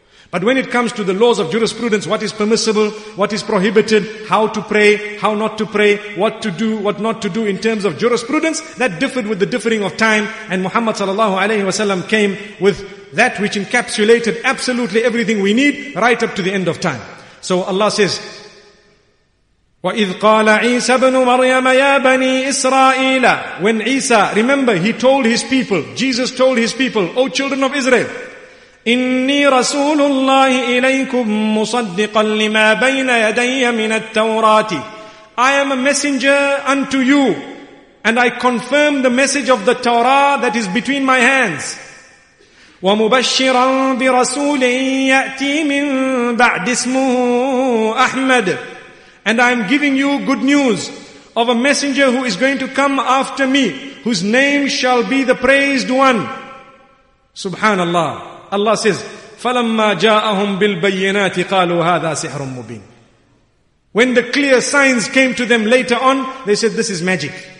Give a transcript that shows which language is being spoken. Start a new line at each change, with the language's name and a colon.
English: But when it comes to the laws of jurisprudence, what is permissible, what is prohibited, how to pray, how not to pray, what to do, what not to do in terms of jurisprudence, that differed with the differing of time, and Muhammad sallallahu alayhi wa sallam came with that which encapsulated absolutely everything we need right up to the end of time. So Allah says,
Arabic: وَإِذْ قَالَ عِيسَى بْنُ مَرْيَمَ يَا بَنِي إِسْرَائِيلَ.
English: When Isa, remember, he told his people, Jesus told his people, O children of Israel,
Arabic: إني رسول الله إليكم مصدقا لما بين يدي من التوراة.
English: I am a messenger unto you, and I confirm the message of the Torah that is between my hands.
Arabic: ومبشرا برسول يأتي من بعد اسمه أحمد.
English: And I am giving you good news of a messenger who is going to come after me, whose name shall be the praised one. Subhanallah. Allah says,
Arabic: فَلَمَّا جَاءَهُمْ بِالْبَيِّنَاتِ قَالُوا هَذَا سِحْرٌ مُبِينٌ.
English: When the clear signs came to them later on, they said, this is magic.